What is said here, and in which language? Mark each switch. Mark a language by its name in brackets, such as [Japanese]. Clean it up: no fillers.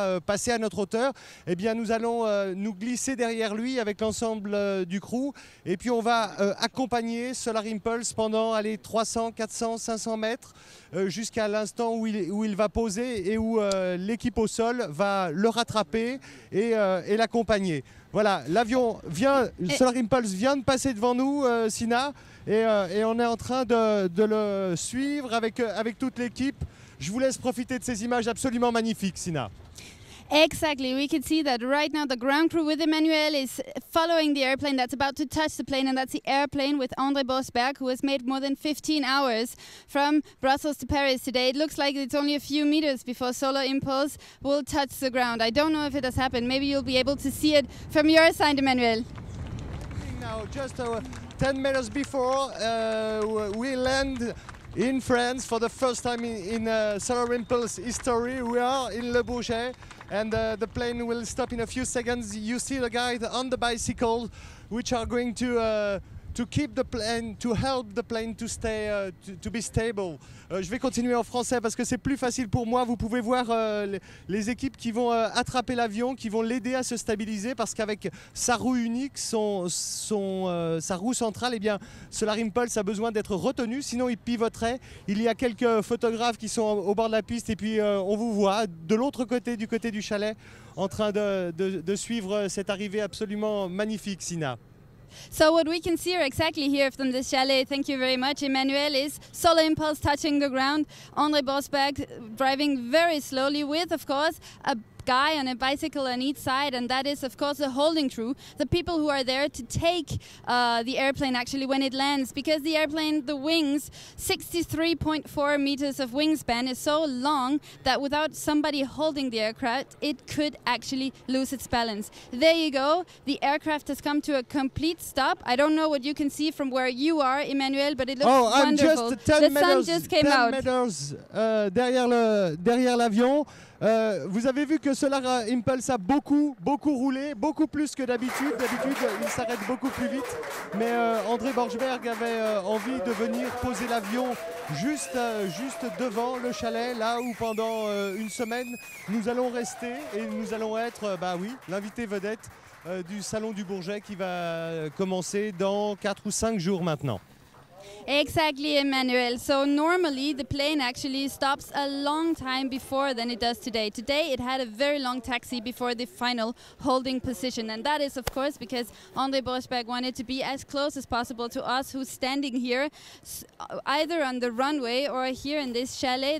[French] passer à notre hauteur, eh bien nous allons nous glisser derrière lui avec l'ensemble du crew et puis on va accompagner SolarImpulse pendant 300, 400, 500 mètres jusqu'à l'instant où il va poser et où l'équipe au sol va le rattraper et l'accompagner. Voilà, l'avion vient, SolarImpulse vient de passer devant nous, Sina, et on est en train de le suivre avec toute l'équipe. Je vous laisse profiter de ces images absolument magnifiques, Sina. [English] Exactly. We can see that right now the ground crew with Emmanuel is following the airplane that's about to touch the plane, and that's the airplane with André Bosberg, who has made more than 15 hours from Brussels to Paris today. It looks like it's only a few meters before SolarImpulse will touch the ground. I don't know if it has happened. Maybe you'll be able to see it from your side, Emmanuel. Now, just 10 meters before we land in France for the first time in SolarImpulse history, we are in Le Bourget. And the plane will stop in a few seconds. You see the guys on the bicycle, which are going to keep the plane, to help the plane to stay, to be stable. [French] Je vais continuer en français parce que c'est plus facile pour moi. Vous pouvez voir les équipes qui vont attraper l'avion, qui vont l'aider à se stabiliser parce qu'avec sa roue unique, sa roue centrale, eh bien, SolarImpulse a besoin d'être retenu, sinon il pivoterait. Il y a quelques photographes qui sont au bord de la piste et puis on vous voit de l'autre côté, du côté du chalet, en train de suivre cette arrivée absolument magnifique, Sina. [English] So what we can see exactly here from the chalet, thank you very much, Emmanuel, is SolarImpulse touching the ground. André Bosberg driving very slowly with, of course, a guy on a bicycle on each side, and that is of course the holding crew, the people who are there to take the airplane actually when it lands, because the airplane, the wings, 63.4 meters of wingspan is so long that without somebody holding the aircraft it could actually lose its balance. There you go, the aircraft has come to a complete stop. I don't know what you can see from where you are, Emmanuel, but it looks wonderful. I'm just 10 the meters, sun just came 10 out [French] meters, derrière l'avion. Vous avez vu que SolarImpulse a beaucoup roulé, beaucoup plus que d'habitude. D'habitude, il s'arrête beaucoup plus vite. Mais André Bosberg avait envie de venir poser l'avion juste devant le chalet, là où pendant une semaine, nous allons rester et nous allons être, bah oui, l'invité vedette du Salon du Bourget qui va commencer dans 4 ou 5 jours maintenant. [English] Exactly, Emmanuel. So normally the plane actually stops a long time before than it does today. Today it had a very long taxi before the final holding position. And that is of course because André Bosberg wanted to be as close as possible to us who's standing here, either on the runway or here in this chalet.